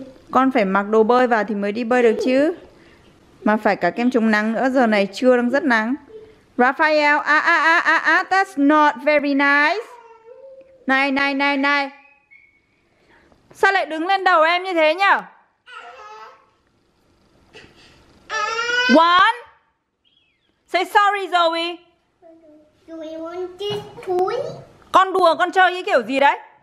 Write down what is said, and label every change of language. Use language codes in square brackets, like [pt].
[vi] Con phải mặc đồ bơi vào thì mới đi bơi được chứ. Mà phải cả kem chống nắng nữa, giờ này trưa đang rất nắng. [en] Raphael, that's not very nice. [vi] Này. Sao lại đứng lên đầu em như thế nhở? [en] One. Say sorry, Zoe. Do you want this toy? [vi] Con đùa, con chơi cái kiểu gì đấy?